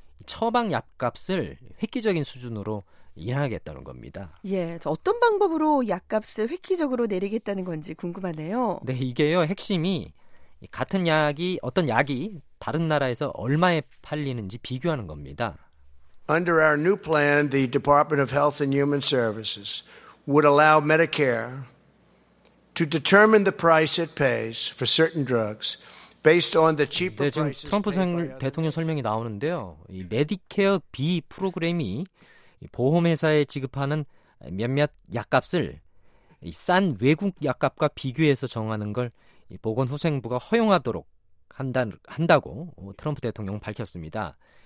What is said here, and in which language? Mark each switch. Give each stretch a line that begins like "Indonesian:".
Korean: 처방 약값을 획기적인 수준으로 인하하겠다는 겁니다. 예, 어떤 방법으로 약값을 획기적으로 내리겠다는 건지 궁금하네요. 네, 이게요, 핵심이 같은 약이 어떤 약이 다른 나라에서 얼마에 팔리는지 비교하는 겁니다.
English: Under our new plan, the Department of Health and Human Services would allow Medicare to determine the price it pays for certain drugs based on the cheaper prices.
Korean: 네, 지금 트럼프 대통령 설명이 나오는데요. 이 메디케어 B 프로그램이 보험회사에 지급하는 몇몇 약값을 싼 외국 약값과 비교해서 정하는 걸 보건후생부가 허용하도록 한다고 트럼프 대통령은 밝혔습니다.